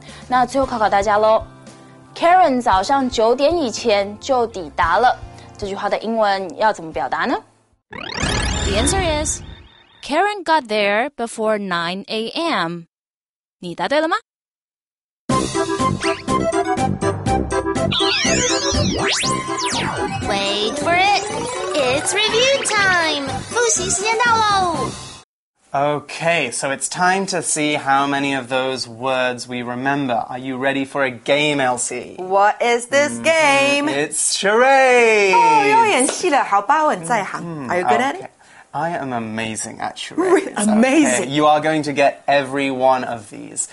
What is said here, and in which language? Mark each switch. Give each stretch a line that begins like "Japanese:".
Chinese: 那最后考考大家咯， Karen 早上九点以前就抵达了，这句话的英文要怎么表达呢？
English: The answer is Karen got there before 9 a.m.
Chinese: 你答对了吗？
English: Wait for it! It's review time!
Chinese: 复习时间到喽！
English: Okay, so it's time to see how many of those words we remember. Are you ready for a game, Elsie? What is this game? It's charades!
Chinese: 又演戏了，好吧，我很在行。
English: Are you good at it? I am amazing at charades. Amazing. Okay, you are going to get every one of these.